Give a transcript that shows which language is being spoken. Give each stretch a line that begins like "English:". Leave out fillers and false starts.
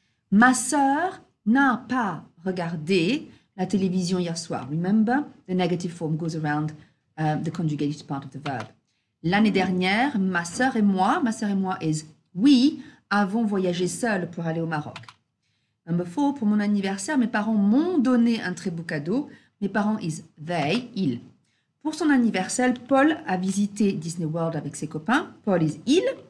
French: Ma sœur n'a pas regardé la télévision hier soir.
English: Remember, the negative form goes around the conjugated part of the verb.
French: L'année dernière, ma sœur et moi
English: is we,
French: avons voyagé seuls pour aller au Maroc.
English: Number four,
French: pour mon anniversaire, mes parents m'ont donné un très beau cadeau. Mes parents
English: is they,
French: il. Pour son anniversaire, Paul a visité Disney World avec ses copains. Paul
English: is
French: il.